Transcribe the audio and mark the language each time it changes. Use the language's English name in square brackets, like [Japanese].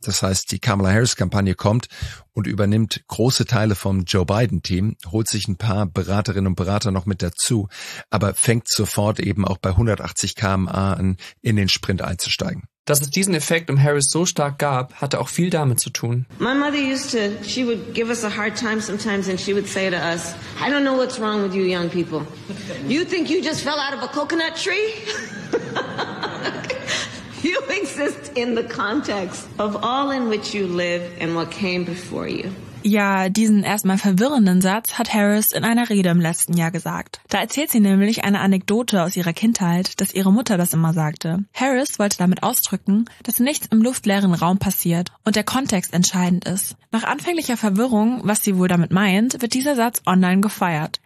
[German] Das heißt, die Kamala Harris-Kampagne kommt und übernimmt große Teile vom Joe Biden-Team, holt sich ein paar Beraterinnen und Berater noch mit dazu, aber fängt sofort eben auch bei 180 km/h an, in den Sprint einzusteigen. Dass es diesen Effekt um Harris so stark gab, hatte auch viel damit zu tun. [English] My mother used to, she would give us a hard time sometimes and she would say to us, I don't know what's wrong with you young people. You think you just fell out of a coconut tree? You exist in the context of all in which you live and what came before you. [German] Ja, diesen erstmal verwirrenden Satz hat Harris in einer Rede im letzten Jahr gesagt. Da erzählt sie nämlich eine Anekdote aus ihrer Kindheit, dass ihre Mutter das immer sagte. Harris wollte damit ausdrücken, dass nichts im luftleeren Raum passiert und der Kontext entscheidend ist. Nach anfänglicher Verwirrung, was sie wohl damit meint, wird dieser Satz online gefeiert.